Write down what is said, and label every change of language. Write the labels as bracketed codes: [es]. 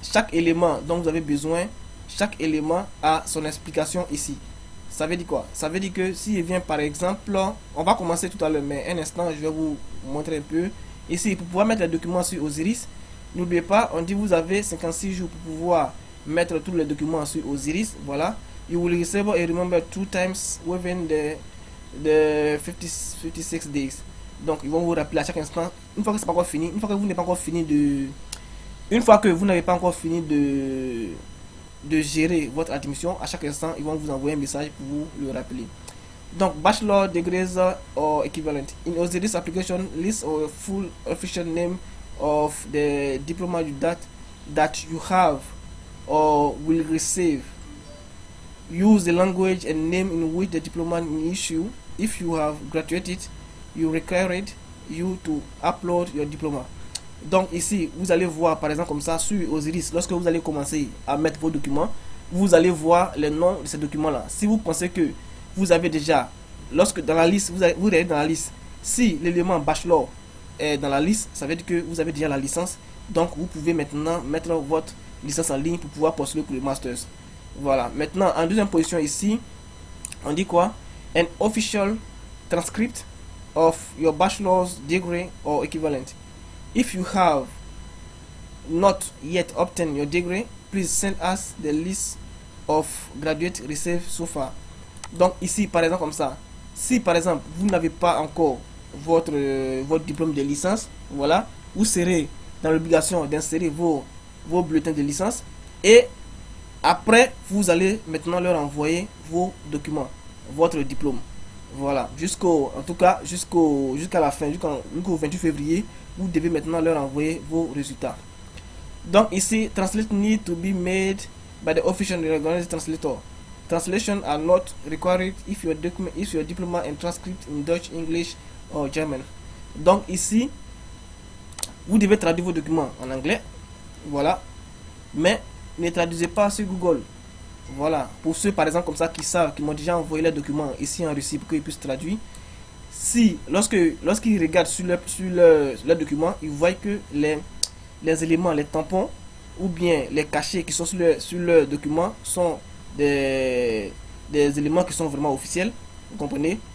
[fr] Chaque élément dont vous avez besoin, chaque élément a son explication ici. Ça veut dire quoi? Ça veut dire que si je viens par exemple, on va commencer tout à l'heure, mais un instant, je vais vous montrer un peu. Ici, pour pouvoir mettre les documents sur Osiris, n'oubliez pas, on dit vous avez 56 jours pour pouvoir mettre tous les documents sur Osiris. Voilà. You will receive a reminder two times within the 56 days. Donc, ils vont vous rappeler à chaque instant. Une fois que c'est pas encore fini, une fois que vous n'avez pas encore fini de gérer votre admission, à chaque instant, ils vont vous envoyer un message pour vous le rappeler. Donc, [en] bachelor degrees or equivalent. In Osiris application, list or full official name of the diploma that you have or will receive. Use the language and name in which the diploma in issue. If you have graduated, you required you to upload your diploma. [fr] Donc ici, vous allez voir par exemple comme ça sur Osiris, lorsque vous allez commencer à mettre vos documents, vous allez voir le nom de ces documents là. Si vous pensez que vous avez déjà, lorsque dans la liste, vous allez dans la liste, si l'élément bachelor dans la liste, ça veut dire que vous avez déjà la licence. Donc vous pouvez maintenant mettre votre licence en ligne pour pouvoir postuler pour le masters. Voilà. Maintenant, en deuxième position ici, on dit quoi? [en] An official transcript of your bachelor's degree or equivalent. If you have not yet obtained your degree, please send us the list of graduates received so far. [fr] Donc ici, par exemple comme ça, si par exemple vous n'avez pas encore votre diplôme de licence, voilà, vous serez dans l'obligation d'insérer vos bulletins de licence et après vous allez maintenant leur envoyer vos documents, votre diplôme, voilà, jusqu'à la fin, jusqu'au 28 février, vous devez maintenant leur envoyer vos résultats. Donc ici, [en] translate need to be made by the official recognized translator. Translation are not required if your diploma and transcript in Dutch, English or German. [fr] Donc ici, vous devez traduire vos documents en anglais, voilà, mais ne traduisez pas sur Google. Voilà, pour ceux par exemple comme ça qui savent, qui m'ont déjà envoyé leurs documents ici en Russie pour qu'ils puissent traduire, si lorsqu'ils regardent sur leurs documents, ils voient que les éléments, les tampons ou bien les cachets qui sont sur leurs documents sont des éléments qui sont vraiment officiels, vous comprenez?